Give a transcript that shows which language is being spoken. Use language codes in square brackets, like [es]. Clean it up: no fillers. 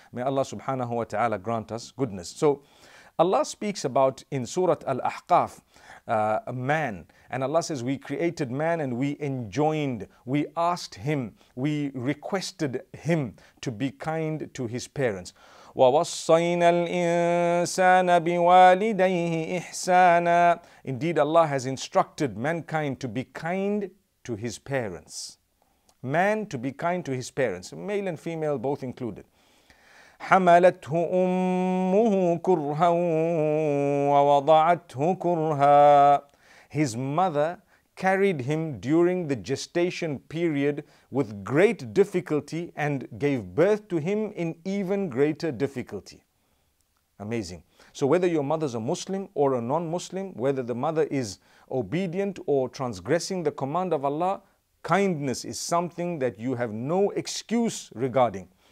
[en] May Allah subhanahu wa ta'ala grant us goodness. So Allah speaks about in Surah Al-Ahqaf, a man, and Allah says, we created man and we enjoined, we asked him, we requested him to be kind to his parents. [ar] وَوَصَّيْنَا الْإِنسَانَ بِوَالِدَيْهِ إِحْسَانًا. [en] Indeed, Allah has instructed mankind to be kind to his parents. Man to be kind to his parents, male and female, both included. [ar] حملته أمه كرها ووضعته كرها. [en] His mother carried him during the gestation period with great difficulty and gave birth to him in even greater difficulty. Amazing. So whether your mother's a Muslim or a non-Muslim, whether the mother is obedient or transgressing the command of Allah, kindness is something that you have no excuse regarding.